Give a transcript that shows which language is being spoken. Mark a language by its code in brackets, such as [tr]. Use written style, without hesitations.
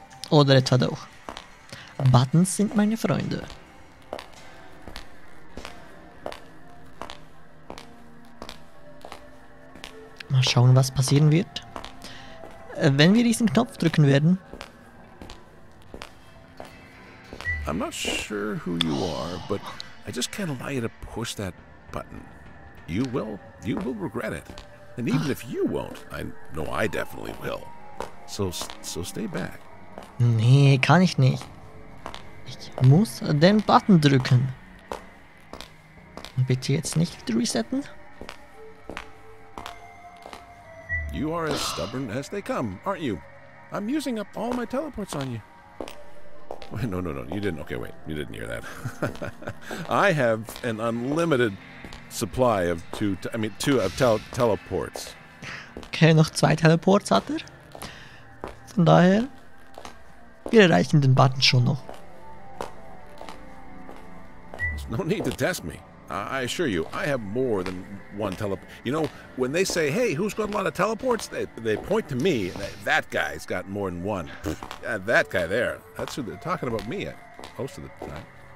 [de] Oder etwa doch. Buttons sind meine Freunde. Schauen, was passieren wird, wenn wir diesen Knopf drücken werden. [en] I'm not sure who you are, but I just can't allow you to push that button. You will regret it. And even if you won't, I know I definitely will. So stay back. [de] Nee, kann ich nicht. Ich muss den Button drücken. Bitte jetzt nicht resetten. [en] You are as stubborn as they come, aren't you? I'm using up all my teleports on you. Wait, no. You didn't. Okay, wait. You didn't hear that. I have an unlimited supply of two teleports. [de] Okay, noch zwei Teleports hat er. Von daher, wir erreichen den Button schon noch. [en] There's no need to test me. I assure you, I have more than one teleport. You know, when they say, hey, who's got a lot of teleports? They point to me. That guy's got more than one. That guy there. That's who they're talking about me at most of the time.